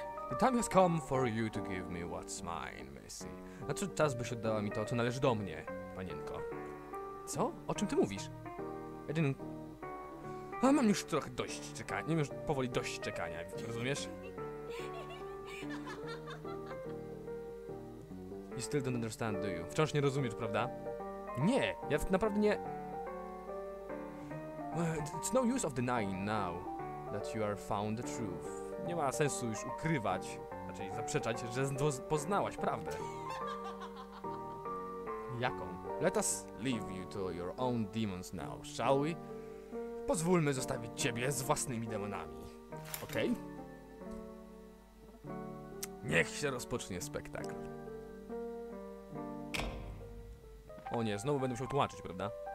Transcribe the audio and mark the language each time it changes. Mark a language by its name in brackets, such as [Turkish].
[English] The time has come for you to give me what's mine, Missy. [Polish] Znaczy czas, byś oddała mi to, co należy do mnie, panienko. Co? O czym ty mówisz? Jedyny... A mam już trochę dość czekania, mam już powoli dość czekania, rozumiesz? [English] You still don't understand, do you? [Polish] Wciąż nie rozumiesz, prawda? Nie, ja naprawdę nie... [English] It's no use of denying now that you are found the truth. [Polish] Nie ma sensu już ukrywać, znaczy zaprzeczać, że poznałaś prawdę. Jaką? [English] Let us leave you to your own demons now, shall we? [Polish] Pozwólmy zostawić ciebie z własnymi demonami, okej? Niech się rozpocznie spektakl. O nie, znowu będę musiał tłumaczyć, prawda?